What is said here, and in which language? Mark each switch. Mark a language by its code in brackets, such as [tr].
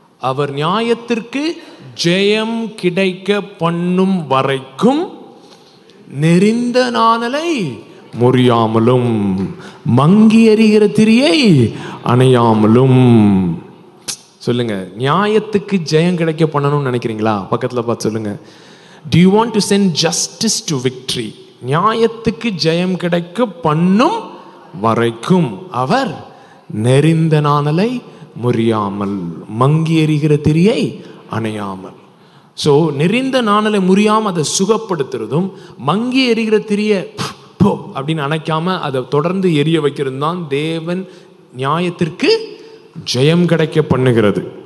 [ta] அவர் நியாயத்திற்கு ஜெயம் கிடைக்க பண்ணும் வரைக்கும் நெறிந்த நாணலை முறியாமலும் மங்கி எறிகிற திரியை அணையாமலும். சொல்லுங்க, நியாயத்துக்கு ஜெயம் கிடைக்க பண்ணணும்னு நினைக்கிறீங்களா? பக்கத்தில் பார்த்து சொல்லுங்க. [en] Do you want to send justice to victory? [ta] நியாயத்துக்கு ஜெயம் கிடைக்க பண்ணும் வரைக்கும் அவர் நெறிந்த நாணலை முறியாமல் மங்கி எறிகிற திரியை அணையாமல். ஸோ நெறிந்த நாணலை முறியாமல் அதை சுகப்படுத்துறதும் மங்கி எறிகிற திரியை அப்படின்னு அணைக்காம அதை தொடர்ந்து எரிய வைக்கிறதுதான் தேவன் நியாயத்திற்கு ஜெயம் கிடைக்க பண்ணுகிறது.